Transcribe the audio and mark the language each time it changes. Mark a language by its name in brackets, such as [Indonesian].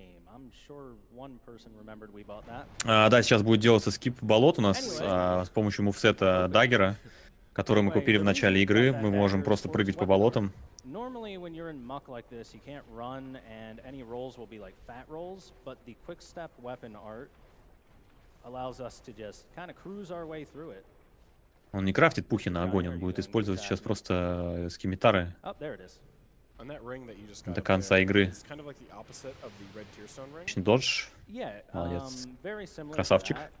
[Russian] Да, сейчас будет делаться скип болот у нас с помощью мувсета даггера, который мы купили в начале игры. Мы можем просто прыгать по болотам. [English] Normally, when you're in muck like this, you can't run, and any rolls will be like fat rolls. But the quick step weapon art allows us to just kind of cruise our way through it. [Russian] Он не крафтит пухи на огонь, он будет использовать сейчас просто скимитары до конца игры. Отличный додж. Молодец. Красавчик.